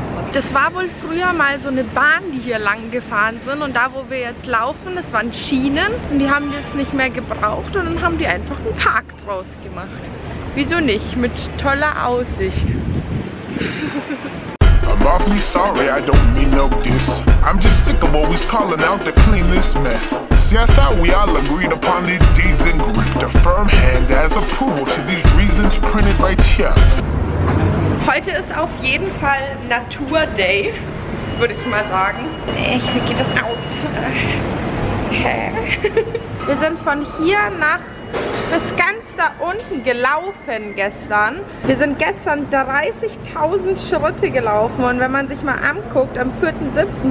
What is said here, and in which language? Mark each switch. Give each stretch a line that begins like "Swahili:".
German: Das war wohl früher mal so eine Bahn, die hier lang gefahren sind. Und da, wo wir jetzt laufen, das waren Schienen. Und die haben das nicht mehr gebraucht. Und dann haben die einfach einen Park draus gemacht. Wieso nicht? Mit toller Aussicht.
English: I'm awfully sorry, I don't mean no diss. I'm just sick of always calling out the cleanest mess. See, I thought we all agreed upon these deeds and gripped a firm hand as approval to these reasons printed right here.
German: Heute ist auf jeden Fall Natur Day, würde ich mal sagen. Echt, wie geht das aus? Wir sind von hier nach bis ganz da unten gelaufen gestern. Wir sind gestern 30.000 Schritte gelaufen und wenn man sich mal anguckt, am 4.7.